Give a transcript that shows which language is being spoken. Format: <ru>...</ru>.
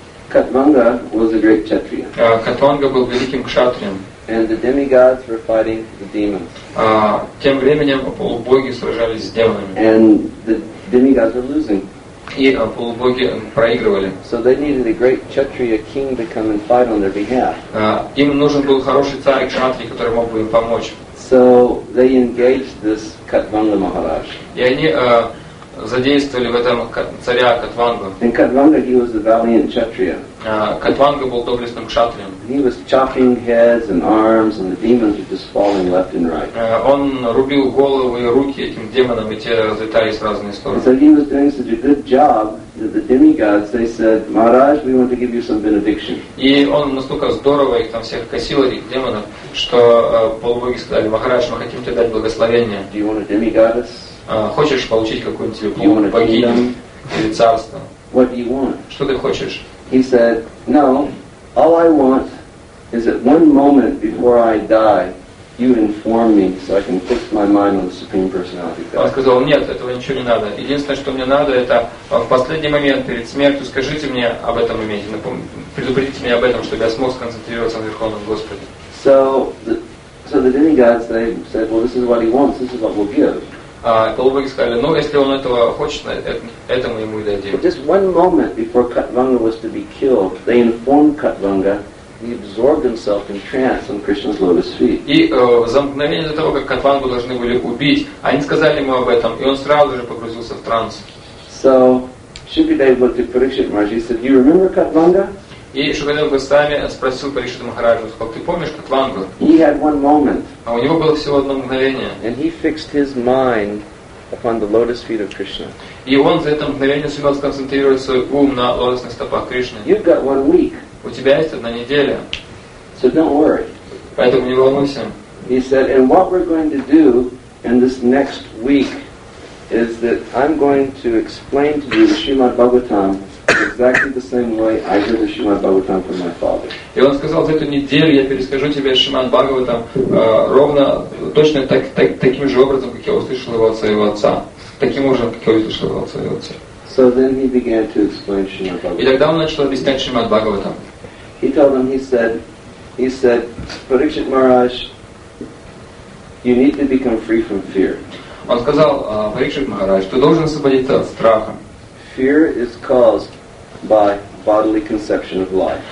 <en>Khatranga was a great kshatriya.</en> <ru>Khatranga был великим кшатрием.</ru> <en>And the demigods were fighting the demons.</en> <ru>Тем временем полубоги сражались с демонами.</ru> <en>And the demigods were losing.</en> <ru>И полубоги проигрывали.</ru> <en>So they needed a great kshatriya king to come and fight on their behalf.</en> <ru>Им нужен был хороший царь кшатрий, который мог бы им помочь.</ru> <en>So they engaged this Khatranga Maharaj.</en> <ru>И они задействовали в этом царя Катвангу.</ru> <en>In Khatranga, he was a valiant kshatriya.</en> <ru>Khatranga был доблестным кшатрием.</ru> <en>He was chopping heads and arms, and the demons were just falling left and right.</en> <ru>Он рубил головы и руки этим демонам, и те разлетались в разные стороны.</ru> <en>So he was doing such a good job that the demigods, they said, Maharaj, we want to give you some benediction.</en> <ru>И он настолько здорово их там всех косил, этих демонов, что полубоги сказали, Махарадж, мы хотим тебе дать благословение.</ru> <en>Do you want a demigoddess?</en> <ru>Хочешь получить какую-нибудь богиню или царство?</ru> <en>What do you want?</en> <ru>Что ты хочешь?</ru> <en>He said, no, all I want is that one moment before I die, you inform me so I can fix my mind on the Supreme Personality of God.</en> <ru>Он сказал, нет, этого ничего не надо. Единственное, что мне надо, это в последний момент перед смертью скажите мне об этом моменте, предупредите меня об этом, чтобы я смог сконцентрироваться на Верховном Господе.</ru> <en>So the demigods, they said, well, this is what he wants, this is what we'll give.</en> <ru>Полубоги сказали, ну, если он этого хочет, это мы ему и дадим.</ru> <en>But just one moment before Khatvanga was to be killed, they informed Khatvanga, he absorbed himself in trance on Krishna's lotus feet.</en> <ru>И за мгновение до того, как Катвангу должны были убить, они сказали ему об этом, и он сразу же погрузился в транс.</ru> <en>So, Shukadeva looked at Parikshit Maharaj, he said, you remember Khatvanga?</en> <ru>И Шукадев Госвами спросил Парикшита Махараджу, сказал, ты помнишь Катвангу?</ru> <en>He had one moment.</en> <ru>А у него было всего одно мгновение.</ru> <en>And he fixed his mind upon the lotus feet of Krishna.</en> <ru>И он за это мгновение сумел сконцентрировать свой ум на лотосных стопах Кришны.</ru> <en>You've got 1 week.</en> <ru>У тебя есть 1 неделя.</ru> <en>So don't worry.</en> <ru>Поэтому не волнуйся.</ru> <en>He said, and what we're going to do in this next week is that I'm going to explain to you Srimad Bhagavatam exactly the same way I heard the Srimad Bhagavatam from my father.</en> <ru>И он сказал, за эту неделю я перескажу тебе Шримад Бхагаватам ровно, точно таким же образом, как я услышал его от своего отца. Таким образом, как я услышал его от своего отца.</ru> <en>So then he began to explain Srimad Bhagavatam.</en> <ru>И тогда он начал объяснять Шримад Бхагаватам.</ru> <en>He told him, he said, Parikshit Maharaj, you need to become free from fear.</en> <ru>Он сказал, Парикшит Махарадж, ты должен освободиться от страха.</ru> <en>Fear is caused by bodily conception of life.</en>